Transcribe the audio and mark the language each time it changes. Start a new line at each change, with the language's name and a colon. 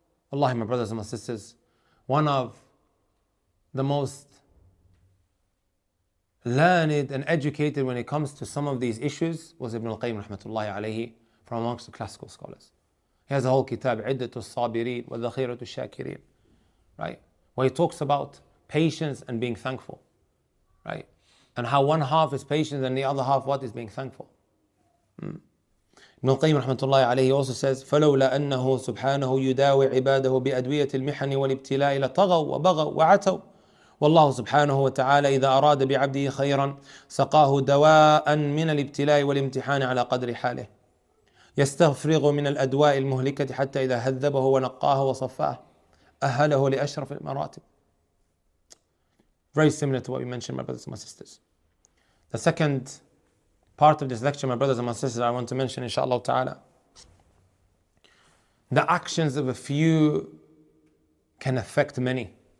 English: Wallahi, my brothers and my sisters, one of the most learned and educated when it comes to some of these issues was Ibn al-Qayyim rahmatullahi alayhi, from amongst the classical scholars. He has a whole kitab, Iddatu al-Sabirin wa Dhakhiratu al-Shakirin, right? Where he talks about patience and being thankful, right? And how one half is patient and the other half what is being thankful. Ibn al-Qayyim rahmatullahi alayhi also says,
Arabic: فَلَوْلَا أَنَّهُ سُبْحَانَهُ يُدَاوِ عِبَادَهُ بِأَدْوِيَةِ الْمِحَنِ وَالْإِبْتِلَاءِ لَطَغَوْا وَبَغَوْا وَعَتَوْا وَاللَّهُ سُبْحَانَهُ وَتَعَالَى إِذَا أَرَادَ بِعَبْدِهِ خَيْرًا سَقَاهُ دَوَاءً مِنَ الْإِبْتِلَاءِ وَالْإِمْتِحَانِ عَلَى قَدْرِ حَالِهِ يَسْتَغْفِرُ مِنَ الْأَدْوَاءِ الْمُهْلِكَةِ حَتَّى إِذَا هَذَّبَهُ وَنَقَّاهُ وَصَفَّاهُ أَهَلَهُ لِأَشْرَفِ الْمَرَاتِبِ.
English: Very similar to what we mentioned, my brothers and my sisters. The second part of this lecture, my brothers and my sisters, I want to mention, inshallah ta'ala, the actions of a few can affect many.